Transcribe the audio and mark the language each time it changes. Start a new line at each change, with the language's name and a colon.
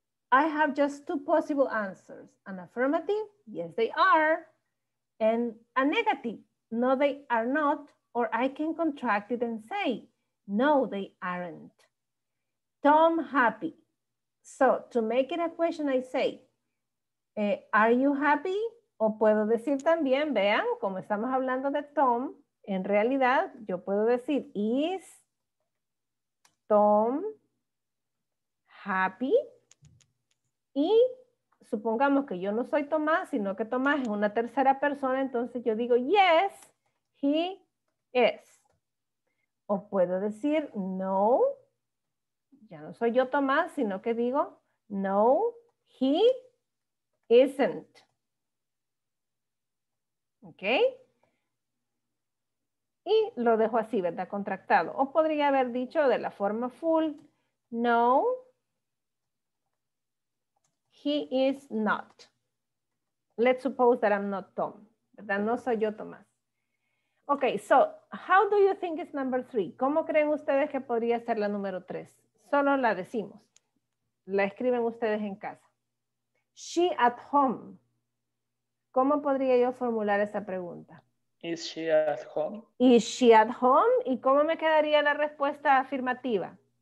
English: I have just two possible answers. An affirmative, yes, they are. And a negative, no, they are not. Or I can contract it and say, no, they aren't. Tom happy. So, to make it a question, I say, are you happy?
Spanish: O puedo decir también, vean, como estamos hablando de Tom, en realidad yo puedo decir,
English: is Tom happy?
Spanish: Y supongamos que yo no soy Tomás, sino que Tomás es una tercera persona, entonces yo digo,
English: yes, he is.
Spanish: O puedo decir, no, ya no soy yo Tomás, sino que digo,
English: no, he isn't. ¿Ok?
Spanish: Y lo dejo así, ¿verdad? Contractado. O podría haber dicho de la forma full,
English: no, he is not. Let's suppose that I'm not Tom,
Spanish: ¿verdad? No soy yo Tomás.
English: Ok, so, how do you think is number three?
Spanish: ¿Cómo creen ustedes que podría ser la número tres? Solo la decimos. La escriben ustedes en casa.
English: She at home.
Spanish: ¿Cómo podría yo formular esa pregunta?
English: Is she at home? Is she at home?
Spanish: ¿Y cómo me quedaría la respuesta afirmativa?